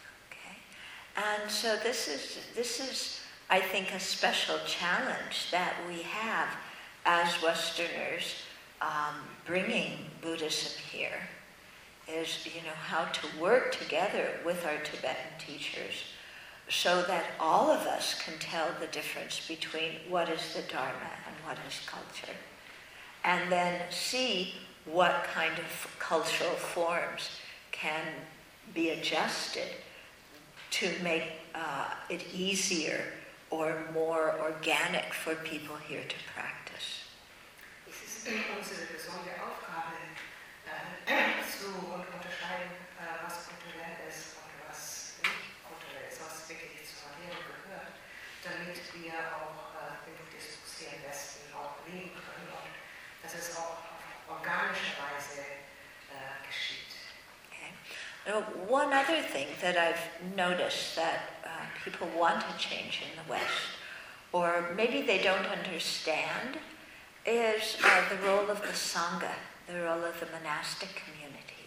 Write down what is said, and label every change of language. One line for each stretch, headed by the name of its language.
English: Okay. And so this is I think a special challenge that we have as Westerners, bringing Buddhism here, is, you know, how to work together with our Tibetan teachers so that all of us can tell the difference between what is the Dharma and what is culture, and then see what kind of cultural forms can be adjusted to make it easier or more organic for people here to practice.
German: Es ist unsere besondere Aufgabe, zu unterscheiden, was kulturell ist und was nicht kulturell ist, was wirklich zur Lehre gehört, damit wir auch den Buddhismus hier im Westen auch leben können und dass es auch auf organische Weise geschieht.
English: Okay. One other thing that I've noticed that people want to change in the West, or maybe they don't understand, is the role of the Sangha, the role of the monastic community.